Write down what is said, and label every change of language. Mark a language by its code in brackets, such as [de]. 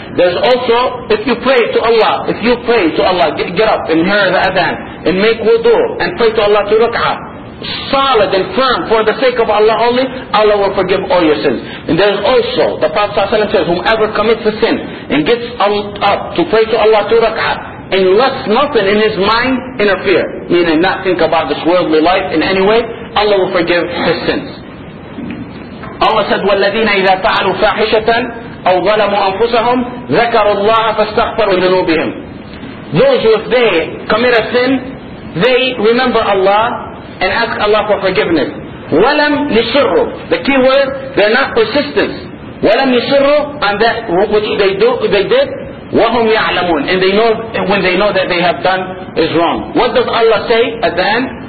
[en] There's also, if you pray to Allah, get up and hear the adhan, and make wudu, and pray to Allah to rak'ah, solid and firm, for the sake of Allah only, Allah will forgive all your sins. And there's also, the Prophet ﷺ says, whomever commits a sin, and gets up to pray to Allah to rak'ah, and lets nothing in his mind interfere, meaning not think about this worldly life in any way, Allah will forgive his sins. [ar] Allah said, وَالَّذِينَ إِذَا فَعَلُوا فَاحِشَةً أَوْ ظَلَمُوا أَنفُسَهُمْ ذَكَرُوا اللَّهَ فَاسْتَغْفَرُوا ذُنُوبِهِمْ. [en] Those who, if they commit a sin, they remember Allah and ask Allah for forgiveness. [ar] وَلَمْ يُصِرُّوا. [en] The key word, they're not persistent. [ar] وَلَمْ يُصِرُّوا [en] on that which they did, [ar] وَهُمْ يَعْلَمُونَ. [en] And they know, when they know that they have done is wrong. What does Allah say at the end?